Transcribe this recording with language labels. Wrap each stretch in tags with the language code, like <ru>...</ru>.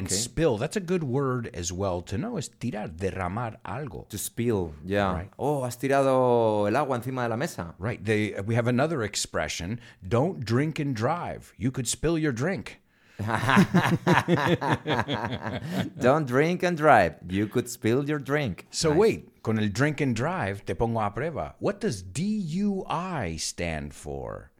<en>And spill, that's a good word as well to know, is</en> <es>tirar, derramar algo.</es> <en>To spill, yeah. Right.</en> <es>Oh, has tirado el agua encima de la mesa.</es> <en>Right. We have another expression, don't drink and drive. You could spill your drink. Don't drink and drive. You could spill your drink. So nice. Wait,</en> <es>con el</es> <en>drink and drive,</en> <es>te pongo a prueba.</es> <en>What does DUI stand for?</en>